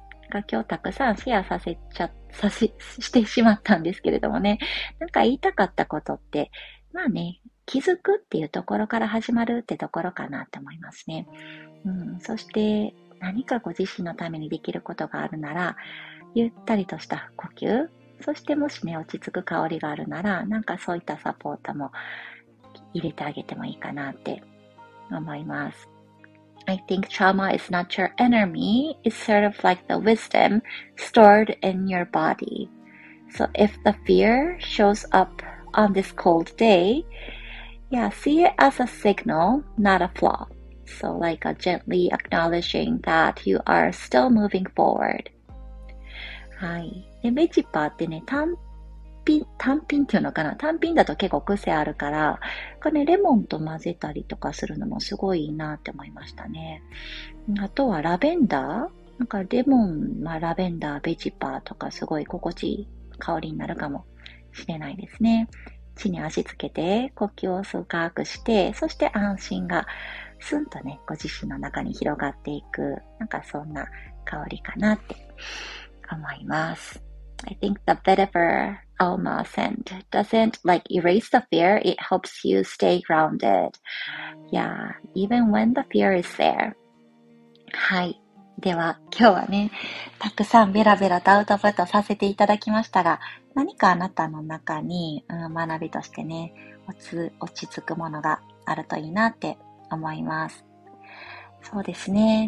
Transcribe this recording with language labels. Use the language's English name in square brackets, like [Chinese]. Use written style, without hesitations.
[Japanese] 今日たくさんシェアさせちゃ、してしまったんですけれどもね、なんか言いたかったことって、まあね、気づくっていうところから始まるってところかなって思いますね。そして、何かご自身のためにできることがあるなら、ゆったりとした呼吸、そしてもしね、落ち着く香りがあるなら、なんかそういったサポートも入れてあげてもいいかなって思います。 [English] I think trauma is not your enemy, it's sort of like the wisdom stored in your body. So if the fear shows up on this cold day, yeah, see it as a signal, not a flaw. So, like a gently acknowledging that you are still moving forward. [Japanese] はい。で、ベチパーってね、単品っていうのかな、単品だと結構癖あるから、これね、レモンと混ぜたりとかするのもすごいいいなって思いましたね。あとはラベンダー、なんかレモン、まあ、ラベンダー、ベチパーとかすごい心地いい香りになるかもしれないですね。地に足つけて、呼吸を深くして、そして安心が。スンとね、ご自身の中に広がっていく、なんかそんな香りかなって思います。 [English] I think the vetiver aroma scent doesn't like erase the fear, it helps you stay grounded. Yeah, even when the fear is there. [Japanese] はい。では、今日はね、たくさんベラベラとアウトプットさせていただきましたが、何かあなたの中に、学びとしてね、落ち着くものがあるといいなって、思います。そうですね。